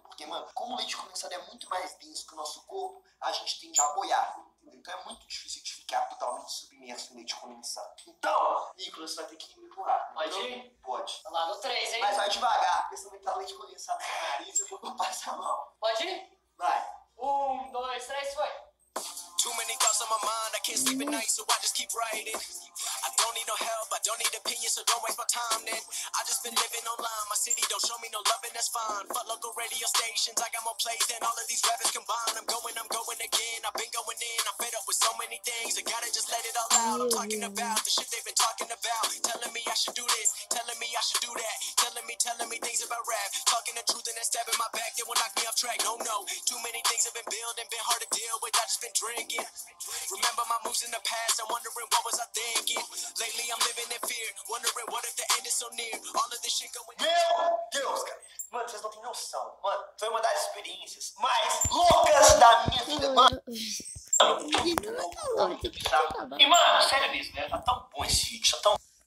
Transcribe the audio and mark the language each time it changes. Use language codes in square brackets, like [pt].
[pt] Porque, mano, como o leite condensado é muito mais denso que o nosso corpo, a gente tende a boiar. Então é muito difícil de ficar totalmente submerso no leite condensado. Então, Nicolas, você vai ter que me empurrar. Pode ir? Pode. Tá lá no 3, hein? Mas vai devagar, porque se não entrar leite condensado no nariz, eu vou passar mal. Pode ir? Vai. 1, 2, 3, foi. [en] Too many thoughts on my mind, I can't sleep at night, so I just keep writing. I don't need no help, I don't need opinions, so don't waste my time then. I just been living online, my city don't show me no loving, that's fine. Fuck local radio stations, I got more plays than all of these rappers combined. I'm going again, I've been going in, I'm fed up with so many things. I gotta just let it all out, I'm talking about the shit they've been talking about. Telling me I should do this, telling me I should do that. Telling me things about rap, talking the truth and then stabbing my back. They will knock me off track, no, no. Too many things have been building, been hard to deal with, I just been drinking. Remember my moves in the past, I'm wondering what was I thinking. Lately I'm living in fear, wondering what if the end is so near. All of this shit going... [pt] Meu Deus, cara. Mano, vocês não têm noção. Mano, foi uma das experiências mais loucas da minha vida, mano. E, mano, sério mesmo, né? Tá tão bom esse vídeo, tá tão...